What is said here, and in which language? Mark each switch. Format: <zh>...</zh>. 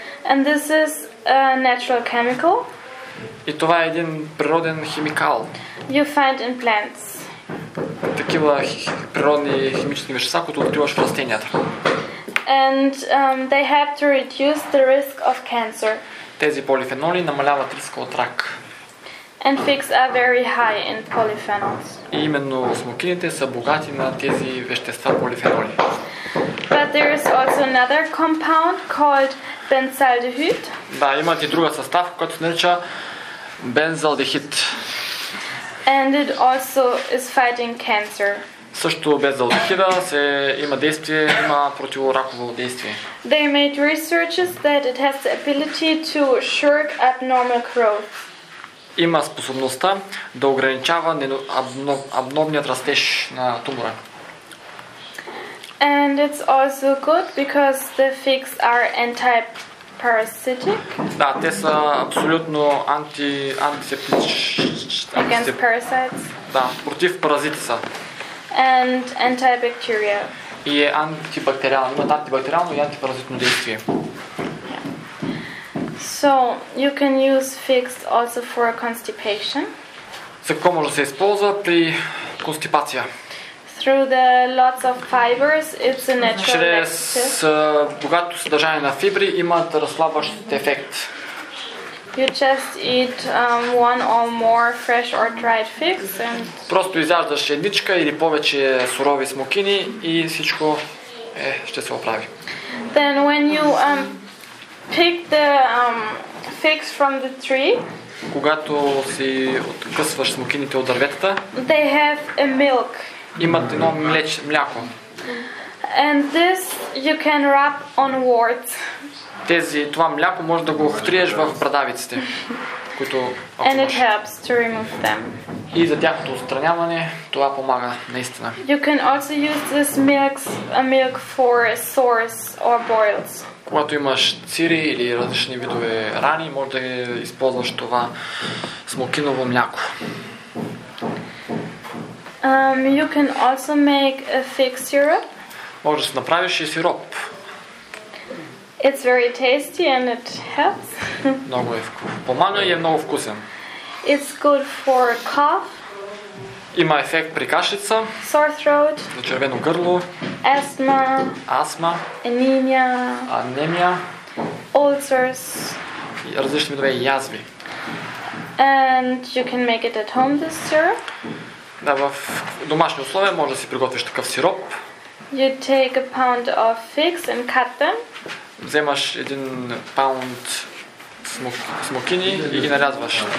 <en>And this is a natural chemical.</en> <bg>И това е един природен химикал.</bg> <en>You find in plants.</en> <bg>Такива природни химични вещества, които откриваш в растенията.</bg> <en>And they help to reduce the risk of cancer.</en> <bg>Тези полифеноли намаляват риска от рак.</bg> <en>And figs are very high in polyphenols.</en> <bg>И именно смокините са богати на тези вещества полифеноли.</bg> <en>But there is also another compound called бензалдехид.</en> <bg>Да, има и друга съставка, която се нарича бензалдехид.</bg> <en>And it also is fighting cancer.</en> <bg>Също бензалдехида се има действие, има противораково действие.</bg> <en>They made researches that it has the ability to shrink abnormal growth.</en> <bg>Има способността да ограничава абнормният растеж на тумора.</bg> <en>And it's also good because the figs are anti-parasitic.</en> <bg>Да, те са абсолютно антисептични.</bg> <en>Against parasites.</en> <bg>Да, против паразити са.</bg> <en>And antibacterial.</en> <bg>И е антибактериално, имат антибактериално и антипаразитно действие.</bg> <en>So you can use figs also for constipation.</en> <bg>За какво може да се използва при констипация?</bg> <en>Through the lots of fibers, it's a natural laxative.</en> <bg>Чрез богато съдържание на фибри имат разслабващ ефект.</bg> <en>You just eat one or more fresh or dried figs and.</en> <bg>Просто изяждаш едничка или повече сурови смокини и всичко ще се оправи.</bg> <en>Then when you pick the figs from the tree.</en> <bg>Когато си откъсваш смокините от дърветата,</bg> <en>they have a milk.</en> <bg>Имат едно мляко.</bg> <en>And this you can rub on warts.</en> <bg>Това мляко може да го втриеш в брадавиците, които отсумаш.</bg> <en>And it helps to remove them.</en> <bg>И за тяхното отстраняване това помага наистина.</bg> <en>You can also use this milk for sores or boils.</en> <bg>Когато имаш цири или различни видове рани, може да използваш това смокиново мляко.</bg> <en>You can also make a fig syrup.</en> <bg>Може да си направиш и сироп.</bg> <en>It's very tasty and it helps.</en> <bg>Много е вкусно. Помага и е много вкусен.</bg> <en>It's good for cough.</en> <bg>Има ефект при кашлица.</bg> <en>Sore throat.</en> <bg>За червено гърло.</bg> <en>Asthma.</en> <bg>Астма.</bg> <en>Anemia.</en> <bg>Анемия.</bg> <en>Ulcers.</en> <bg>Различни видове язви.</bg> <en>And you can make it at home this syrup.</en> <bg>Да, в домашни условия може да си приготвиш такъв сироп.</bg> <en>You take a pound of figs and cut them.</en> <bg>Вземаш един паунд смокини и ги нарязваш.</bg>